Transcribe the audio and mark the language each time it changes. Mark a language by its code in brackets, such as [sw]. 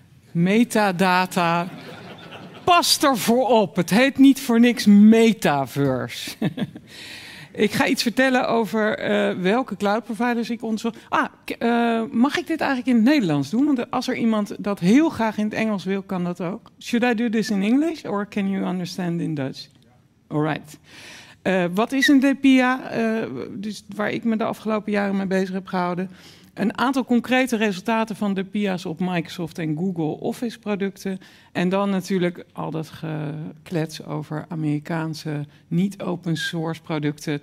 [nl] Metadata. Pas ervoor op. Het heet niet voor niks metaverse. Ik ga iets vertellen over welke cloud providers ik onderzoek. Mag ik dit eigenlijk in het Nederlands doen? Want als er iemand dat heel graag in het Engels wil, kan dat ook. [en] Should I do this in English or can you understand in Dutch? All right. [nl] Wat is een DPIA? Dus waar ik me de afgelopen jaren mee bezig heb gehouden. Een aantal concrete resultaten van de DPIA's op Microsoft en Google Office producten. En dan natuurlijk al dat geklets over Amerikaanse niet-open source producten.